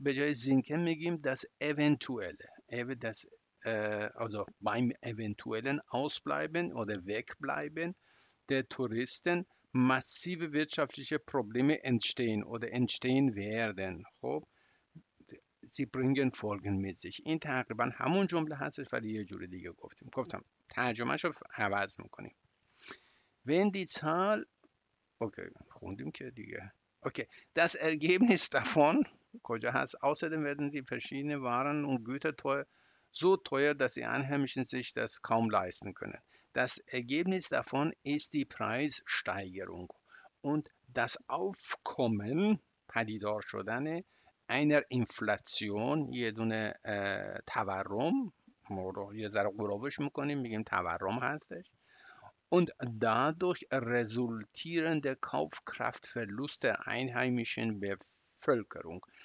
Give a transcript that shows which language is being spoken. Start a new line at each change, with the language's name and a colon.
German: Sinken beginnt das eventuelle. Das, also beim eventuellen Ausbleiben oder Wegbleiben der Touristen massive wirtschaftliche Probleme entstehen oder entstehen werden. Sie bringen Folgen mit sich.
Persian: In تقریباً همون جمله هستش ولی یه جور دیگه گفتیم. گفتم ترجمهش رو عوض میکنیم.
German: Wenn die Zahl...
Persian: Okay, خوندیم که دیگه.
German: Okay, das Ergebnis davon...
Persian: کجا هست؟
German: Außerdem werden die verschiedenen Waren und Güter teuer, so teuer, dass die Einheimischen sich das kaum leisten können. Das Ergebnis davon ist die Preissteigerung und das Aufkommen
Persian: پدیدار شدن
German: einer Inflation,
Persian: یه دونه تورم. یه ذره قرابش میکنیم میگیم تورم هستش.
German: Und dadurch resultierende Kaufkraftverluste einheimischen Bevölkerung.